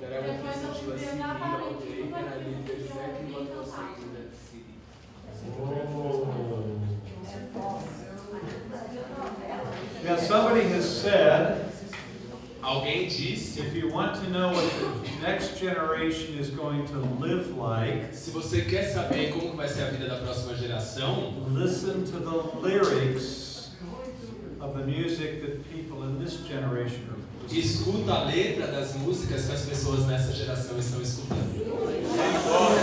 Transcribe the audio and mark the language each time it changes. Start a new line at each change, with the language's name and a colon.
English: that I went to a CD all day and I lived exactly what was saying in that CD. Now somebody has said,
Portuguese: alguém disse,
English: if you want to know what the next generation is going to live like,
Portuguese: se você quer saber como vai ser a vida da próxima geração,
English: listen to the lyrics of the music that people in this generation are listening.
Portuguese: Escuta a letra das músicas que as pessoas nessa geração estão escutando.